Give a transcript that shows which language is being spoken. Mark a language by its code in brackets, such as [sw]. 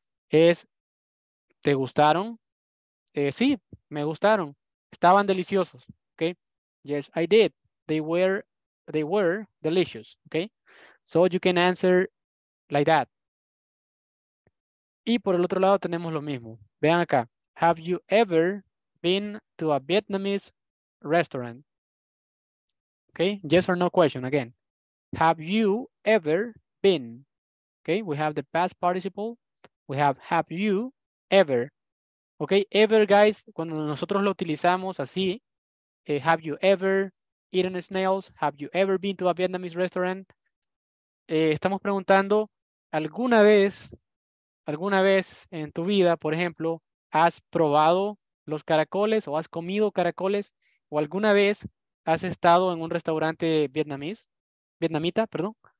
[es] Es, ¿te gustaron? Sí, me gustaron. Estaban deliciosos, [en] ¿ok? Yes, I did. They were delicious, ¿ok? So you can answer like that. [es] Y por el otro lado tenemos lo mismo. Vean acá. [en] Have you ever been to a Vietnamese restaurant? Okay, yes or no question again. Have you ever been? Okay, we have the past participle. We have you ever. Okay, ever, guys, [es] cuando nosotros lo utilizamos así, [en] have you ever eaten snails? Have you ever been to a Vietnamese restaurant? [es] Estamos preguntando, ¿alguna vez en tu vida, por ejemplo, has probado los caracoles o has comido caracoles o alguna vez has estado en un restaurante vietnamita, perdón?